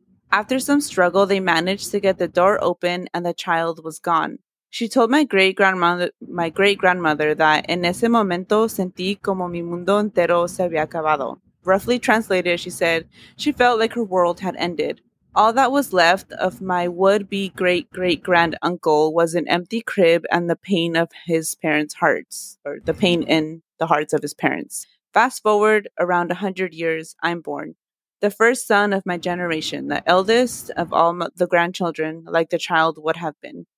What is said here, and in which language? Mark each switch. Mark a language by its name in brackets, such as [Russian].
[English] After some struggle, they managed to get the door open and the child was gone. She told my great-grandmother that [Spanish] en ese momento sentí como mi mundo entero se había acabado. [English] Roughly translated, she said, she felt like her world had ended. All that was left of my would-be great-great-granduncle was an empty crib and the pain of his parents' hearts, or the pain in the hearts of his parents. Fast forward around 100 years, I'm born. The first son of my generation, the eldest of all the grandchildren, like the child would have been.